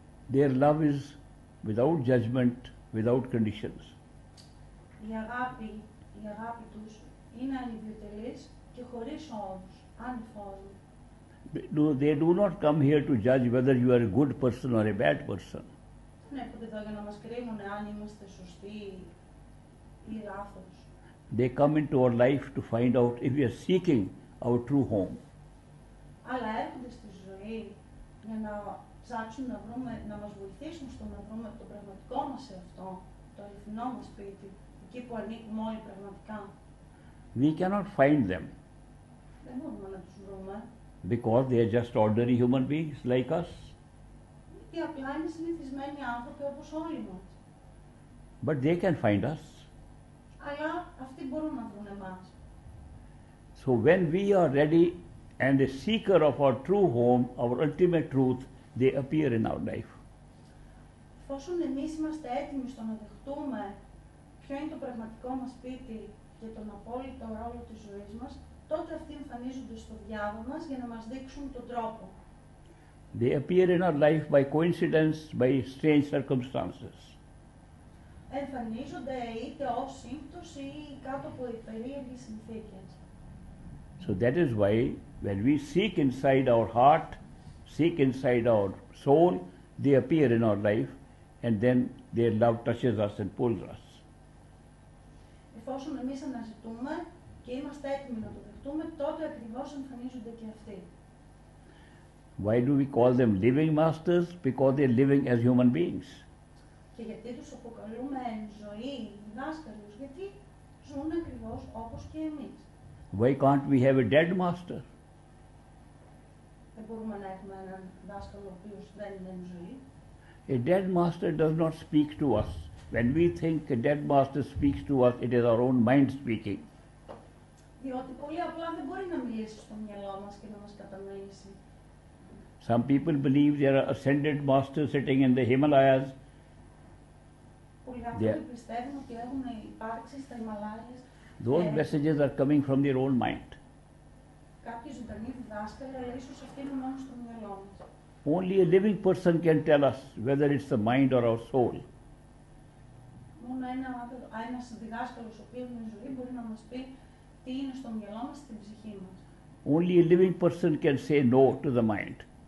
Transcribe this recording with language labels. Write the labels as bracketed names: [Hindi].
[English] Their love is without judgment, without conditions. [Greek] Η αγάπη τους είναι ανιδιοτελής και χωρίς όρους, ανιφόρου. [English] They do not come here to judge whether you are a good person or a bad person. [Greek] Δεν έρχονται εδώ για να μας κρίνουν αν είμαστε σωστοί ή λάθος. [English] They come into our life to find out if we are seeking our true home. [Greek] Αλλά έρχονται στη ζωή για να ψάξουμε να βρούμε, να μας βοηθήσουν στο να βρούμε το πραγματικό μας εαυτό, το αληθινό μας σπίτι, εκεί που ανήκουμε όλοι πραγματικά. [English] We cannot find them. [Greek] Δεν μπορούμε να τους βρούμε. [English] Because they are just ordinary human beings like us. [Greek] Γιατί απλά είναι συνηθισμένοι άνθρωποι όπως όλοι μας. [English] But they can find us. [Greek] Αλλά αυτοί μπορούν να βρουν εμάς. [English] So when we are ready and the seeker of our true home, our ultimate truth, they appear in our life. [Greek] Εφόσον εμείς είμαστε έτοιμοι στο να δεχτούμε ποιο είναι το πραγματικό μας σπίτι και τον απόλυτο ρόλο της ζωής μας, τότε αυτοί εμφανίζονται στο διάβο μας για να μας δείξουν τον τρόπο. [English] They appear in our life by coincidence, by strange circumstances. [Greek] Εμφανίζονται είτε ως σύμπτωση ή κάτω από περίεργες συνθήκες. [English] So that is why when we seek inside our heart, seek inside our soul, they appear in our life and then their love touches us and pulls us. [Greek] Εφόσον εμείς αναζητούμε και είμαστε έτοιμοι να το δεχτούμε, τότε ακριβώς εμφανίζονται και αυτοί. [English] Why do we call them living masters? Because they are living as human beings. [Greek] Και γιατί τους αποκαλούμε εν ζωή, δάσκαλους, γιατί ζουν ακριβώς όπως και εμείς. [English] Why can't we have a dead master? [Greek] Δεν μπορούμε να έχουμε έναν δάσκαλο ο οποίος δεν είναι εν ζωή. [English] A dead master does not speak to us. When we think a dead master speaks to us, it is our own mind speaking. [Greek] Διότι πολύ απλά δεν μπορεί να μιλήσει στο μυαλό μας και να μας κατανοήσει. [English] Some people believe there are ascended masters sitting in the Himalayas. [Greek] Πολλοί άνθρωποι πιστεύουν ότι έχουν υπάρξει στα Ιμαλάες. [English] Those messages are coming from their own mind. [Greek] Κάποιοι ζωντανοί διδάσκαλοι, αλλά ίσως αυτοί είναι μόνο στο μυαλό μας. [English] Only a living person can tell us whether it's the mind or our soul. [Greek] Μόνο ένας διδάσκαλος ο οποίος είναι ζωή μπορεί να μας πει τι είναι στο μυαλό μας, στην ψυχή μας. [English] Only a living person can say no to the mind.